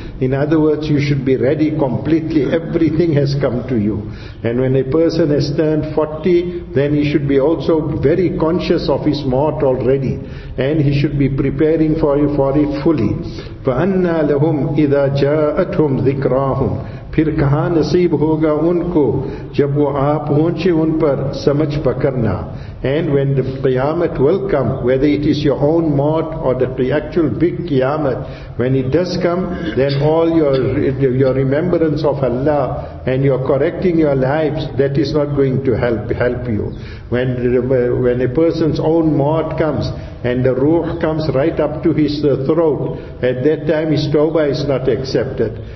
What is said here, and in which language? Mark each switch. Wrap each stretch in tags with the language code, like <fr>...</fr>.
<en>In other words, you should be ready completely. Everything has come to you. And when a person has turned 40, then he should be also very conscious of his mort already. And he should be preparing for it fully.</en> <ar>فَأَنَّا لَهُمْ إِذَا جَاءَتْهُمْ ذِكْرَاهُمْ.</ar> <ur>پھر کہاں نصیب ہوگا ان کو جب وہ آ پہنچے ان پر سمجھ پکڑنا.</ur> <en>And when the قیامت will come, whether it is your own mort or the actual big قیامت, when it does come, then all your remembrance of Allah and your correcting your lives, that is not going to help you. When a person's own mort comes and the ruh comes right up to his throat, at that time his tawbah is not accepted.</en>